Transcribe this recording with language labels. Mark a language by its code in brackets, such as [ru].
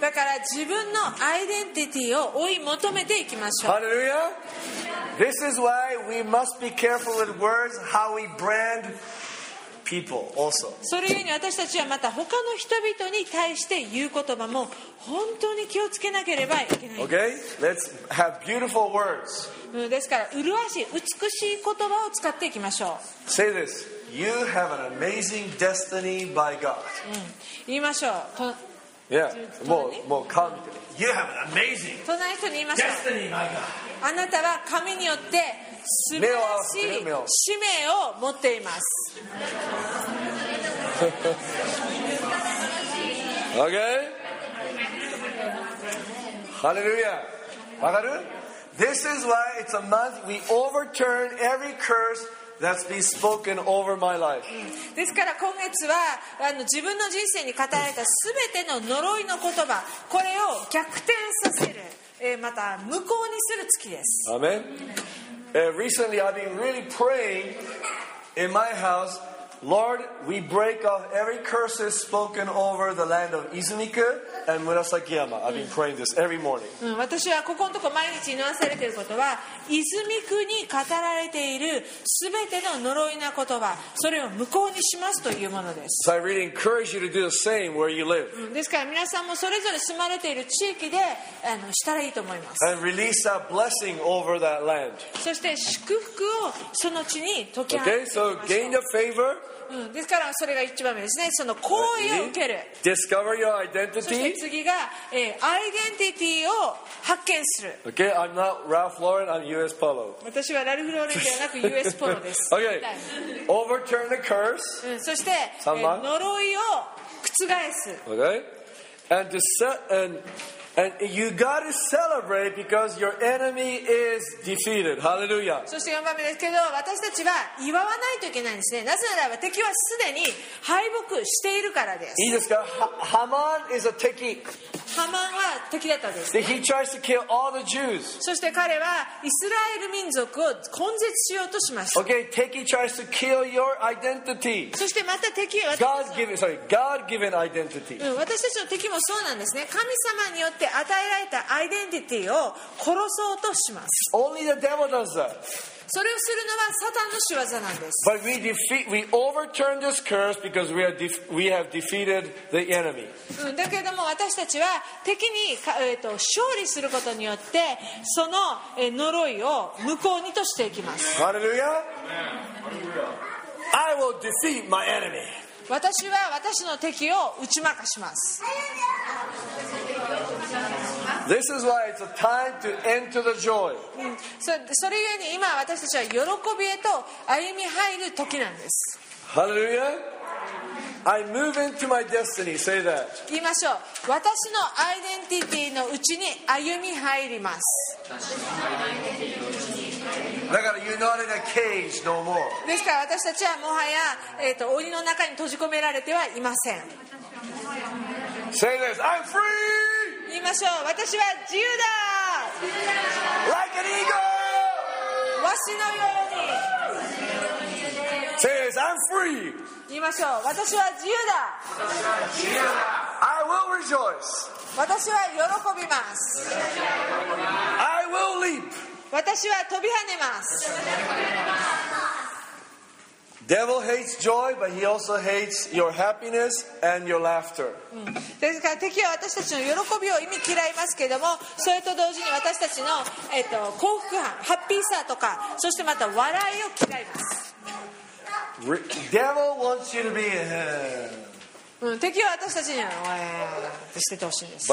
[ja] だから自分のアイデンティティを追い求めていきましょう。 [en] Hallelujah. This is why we must be careful with words, how we brand people also. [ja] それゆえに私たちはまた他の人々に対して言う言葉も本当に気をつけなければいけない。 [en] Okay, let's have beautiful words. [ja] ですから麗しい美しい言葉を使っていきましょう。 [en] Say this, you have an amazing destiny by God. [ja] 言いましょう。 [en] Yeah, [ja] もう顔見てね。 [en] You have an amazing destiny by God. [ja] あなたは神によって素晴らしい使命を持っています。 [en] OK? [ja] ハレルヤ。わかる？ [en] This is why it's a month we overturn every curse that's been spoken over my life. [ja] ですから今月は自分の人生に語られた全ての呪いの言葉、これを逆転させる、また無効にする月です。アメン。 [en] Recently, I've been really praying in my house. Lord, we break off every curses spoken over the land of Izumiku and Murasakiyama. I've been praying this every morning. [ja] 私はここのとこ毎日祈らされていることは、泉区に語られているすべての呪いな言葉、それを無効にしますというものです。 [en] So I really encourage you to do the same where you live. [ja] ですから皆さんもそれぞれ住まれている地域でしたらいいと思います。 [en] And release a blessing over that land. [ja] そして祝福をその地に解き放ちましょう。 [en] Okay, so gain the favor. [ja] ですからそれが一番目ですね。その行為を受ける。 [en] Discover your identity. [ja] そして次が、アイデンティティを発見する。 [en] Okay, I'm not Ralph Lauren, I'm U.S. Polo. [ja] 私はラルフ・ローレンではなく U.S. Polo です。 [en] Okay, overturn the curse. [ja] そして、呪いを覆す。 [en] Okay, and to set And you got to celebrate because your enemy is defeated. Hallelujah. [ja] そして4番目ですけど、私たちは祝わないといけないんですね。なぜならば敵はすでに敗北しているからです。いいですか？ハマン [en] is a [ja] 敵。ハマンは敵だったんです、ね。 [en] He tries to kill all the Jews. [ja] そして彼はイスラエル民族を根絶しようとしました。 [en] Okay, 敵 tries to kill your identity. [ja] そしてまた敵は [en] God given identity. [ja] 私たちの敵もそうなんですね。神様によって与えられたアイデンティティを殺そうとします。 [en] Only the devil does that. [ja] それをするのはサタンの仕業なんです。 [en] But we overturn this curse because we have defeated the enemy. [ja] だけども私たちは敵に勝利することによってその呪いを無効にとしていきます。 [en] Hallelujah! I will defeat my enemy. [ja] 私は私の敵を打ち負かします。 [en] This is why it's a time to enter the joy. [ja] それゆえに今私たちは喜びへと歩み入る時なんです。 [en] Hallelujah. I move into my destiny. Say that. [ja] 言いましょう。私のアイデンティティのうちに歩み入ります。だから [en] you're not in a cage no more. [ja] ですから私たちはもはや檻の中に閉じ込められてはいません。 [en] Say this. I'm free. [ja] 言いましょう。私は自由だ。 [en] Like an eagle. [ja] わしのように。 [en] Say this, I'm free. [ja] 言いましょう。私は自由だ。私は自由だ。 [en] I will rejoice. [ja] 私は喜びます。 [en] I will leap. [ja] 私は飛び跳ねます。 [en] Devil hates joy, but he also hates your happiness and your laughter. [ja] ですから敵は私たちの喜びを意味嫌いますけれども、それと同時に私たちの幸福感、ハッピーさとか、そしてまた笑いを嫌います。 [en] Devil wants you to be in heaven. [ja] 敵は私たちにはってしててほしいんです。